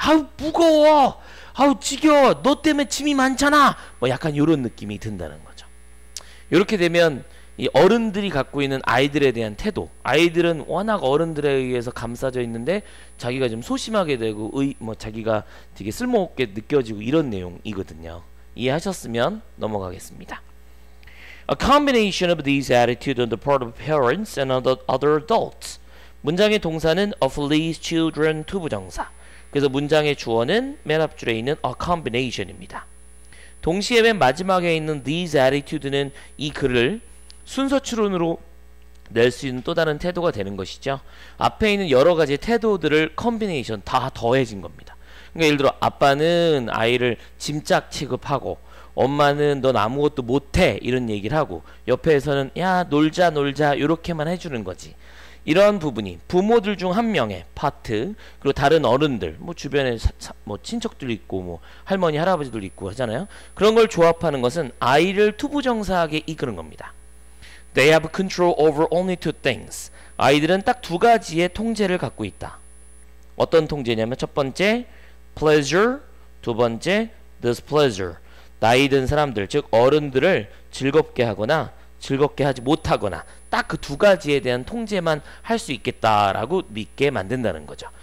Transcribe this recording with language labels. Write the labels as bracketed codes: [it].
[ko] 아우 무거워 아우 지겨워 너 때문에 짐이 많잖아 뭐 약간 이런 느낌이 든다는 거죠. 이렇게 되면 이 어른들이 갖고 있는 아이들에 대한 태도 아이들은 워낙 어른들에 의해서 감싸져 있는데 자기가 좀 소심하게 되고 뭐 자기가 되게 쓸모없게 느껴지고 이런 내용이거든요. 이해하셨으면 넘어가겠습니다. [en] A combination of these attitudes on the part of parents and other adults. [ko] 문장의 동사는 of these children to 부정사. 그래서 문장의 주어는 맨 앞줄에 있는 a combination입니다. 동시에 맨 마지막에 있는 these attitudes는 이 글을 순서추론으로 낼 수 있는 또 다른 태도가 되는 것이죠. 앞에 있는 여러 가지 태도들을 combination 다 더해진 겁니다. 그러니까 예를 들어 아빠는 아이를 짐짝 취급하고 엄마는 넌 아무것도 못해 이런 얘기를 하고 옆에서는 야 놀자 이렇게만 해주는 거지. 이런 부분이 부모들 중 한 명의 파트 그리고 다른 어른들 뭐 주변에 뭐 친척들 있고 뭐 할머니 할아버지들 있고 하잖아요. 그런 걸 조합하는 것은 아이를 투부정사하게 이끄는 겁니다. [en] They have control over only two things. [ko] 아이들은 딱 두 가지의 통제를 갖고 있다. 어떤 통제냐면 첫 번째 pleasure 두 번째 displeasure 나이 든 사람들 즉 어른들을 즐겁게 하거나 즐겁게 하지 못하거나 딱 그 두 가지에 대한 통제만 할 수 있겠다라고 믿게 만든다는 거죠.